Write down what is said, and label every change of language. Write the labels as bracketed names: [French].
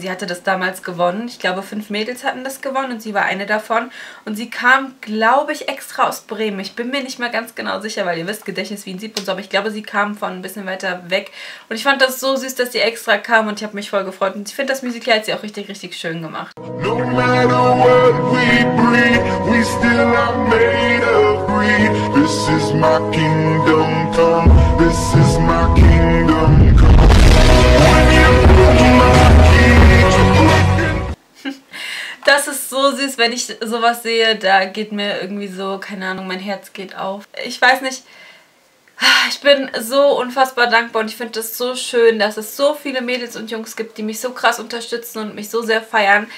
[German] Sie hatte das damals gewonnen. Ich glaube, 5 Mädels hatten das gewonnen und sie war eine davon. Und sie kam, glaube ich, extra aus Bremen. Ich bin mir nicht mehr ganz genau sicher, weil ihr wisst, Gedächtnis wie ein Sieb und so. Aber ich glaube, sie kam von ein bisschen weiter weg. Und ich fand das so süß, dass sie extra kam und ich habe mich voll gefreut. Und ich finde, das Musical.ly hat sie auch richtig, richtig schön gemacht. [English] No matter what we breed, we still are made of greed. This is my kingdom come. This is my kingdom come. When you put my key to [German] Das ist so süß, wenn ich sowas sehe, da geht mir irgendwie so, keine Ahnung, mein Herz geht auf. Ich weiß nicht. Ich bin so unfassbar dankbar und ich finde das so schön, dass es so viele Mädels und Jungs gibt, die mich so krass unterstützen und mich so sehr feiern.